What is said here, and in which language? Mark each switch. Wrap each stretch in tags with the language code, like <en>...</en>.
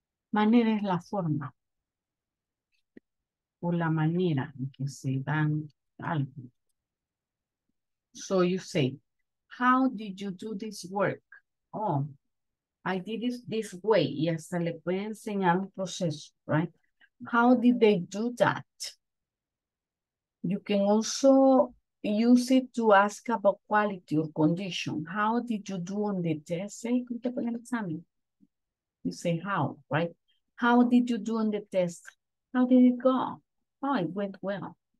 <es>Manera es la forma o la manera en que se dan algo.</es> <en>So you say, how did you do this work? Oh, I did it this way.</en> <es>Y hasta le puede enseñar un proceso, right?</es> <en>How did they do that? You can also use it to ask about quality or condition. How did you do on the test? Hey,</en> <es>¿cómo te ponen el examen?</es> <en>You say how, right? How did you do on the test? How did it go? Oh, it went well.</en>